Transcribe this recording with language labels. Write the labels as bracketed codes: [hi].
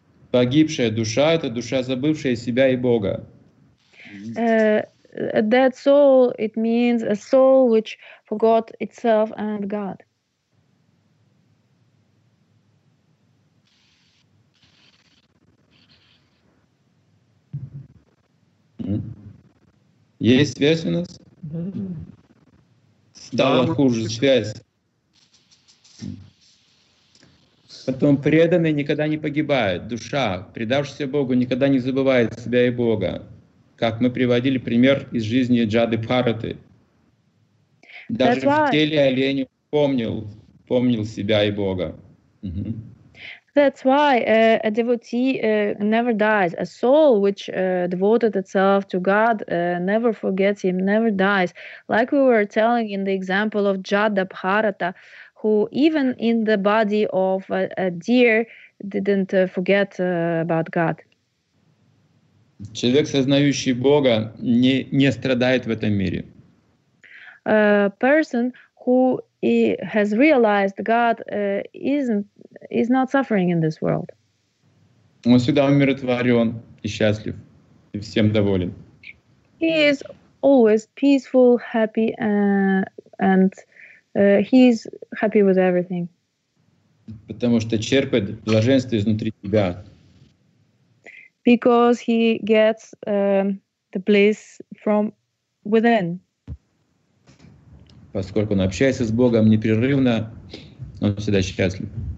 [ru] Погибшая душа — это душа, забывшая себя и Бога. [en] A dead soul, it means a soul which forgot itself and God. [ru] Есть связь у нас? Стало хуже связь. Потом преданные никогда не погибают. Душа, предавшаяся Богу, никогда не забывает себя и Бога. Как мы приводили пример из жизни Джады Бхараты. Даже в теле оленя помнил себя и Бога. [en] That's why a devotee never dies. A soul which devoted itself to God never forgets him, never dies. Like we were telling in the example of Jada Bharata, who even in the body of a deer didn't forget about God. [ru] Человек, сознающий Бога, не страдает в этом мире. [en] A person who he has realized God is not suffering in this world. [ru] Он всегда умиротворен и счастлив, и всем доволен. [en] He is always peaceful, happy, and he is happy with everything. [ru] Потому что черпает блаженство изнутри тебя. [en] Because he gets the bliss from within. [ru] Поскольку он общается с Богом непрерывно, он всегда счастлив.